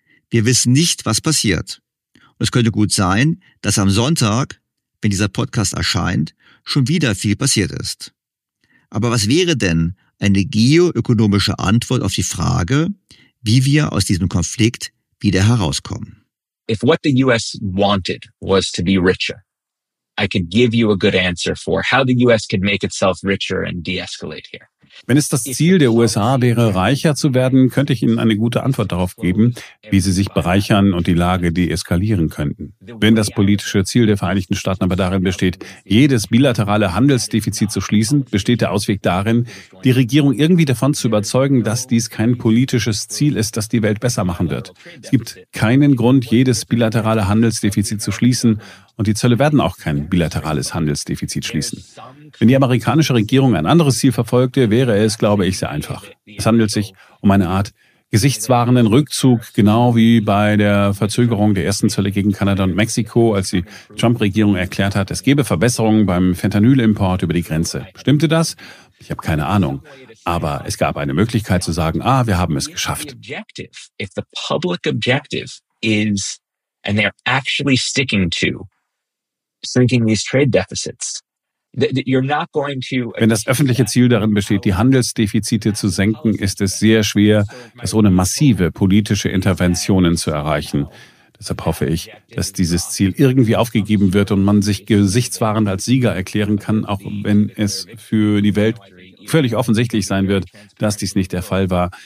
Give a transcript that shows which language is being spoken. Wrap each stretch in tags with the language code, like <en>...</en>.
<de>Wir wissen nicht, was passiert. Und es könnte gut sein, dass am Sonntag, wenn dieser Podcast erscheint, schon wieder viel passiert ist. Aber was wäre denn eine geoökonomische Antwort auf die Frage, wie wir aus diesem Konflikt wieder herauskommen?</de> <en>If what the US wanted was to be richer, I could give you a good answer for how the US could make itself richer and de-escalate here.</en> <de>Wenn es das Ziel der USA wäre, reicher zu werden, könnte ich Ihnen eine gute Antwort darauf geben, wie sie sich bereichern und die Lage deeskalieren könnten. Wenn das politische Ziel der Vereinigten Staaten aber darin besteht, jedes bilaterale Handelsdefizit zu schließen, besteht der Ausweg darin, die Regierung irgendwie davon zu überzeugen, dass dies kein politisches Ziel ist, das die Welt besser machen wird. Es gibt keinen Grund, jedes bilaterale Handelsdefizit zu schließen, und die Zölle werden auch kein bilaterales Handelsdefizit schließen. Wenn die amerikanische Regierung ein anderes Ziel verfolgte, wäre es, glaube ich, sehr einfach. Es handelt sich um eine Art gesichtswahrenden Rückzug, genau wie bei der Verzögerung der ersten Zölle gegen Kanada und Mexiko, als die Trump-Regierung erklärt hat, es gäbe Verbesserungen beim Fentanyl-Import über die Grenze. Stimmte das? Ich habe keine Ahnung. Aber es gab eine Möglichkeit zu sagen, ah, wir haben es geschafft.</de> <en>If the public objective is, and they're actually sticking to, shrinking these trade deficits,</en> <de>wenn das öffentliche Ziel darin besteht, die Handelsdefizite zu senken, ist es sehr schwer, es ohne massive politische Interventionen zu erreichen. Deshalb hoffe ich, dass dieses Ziel irgendwie aufgegeben wird und man sich gesichtswahrend als Sieger erklären kann, auch wenn es für die Welt völlig offensichtlich sein wird, dass dies nicht der Fall war.</de>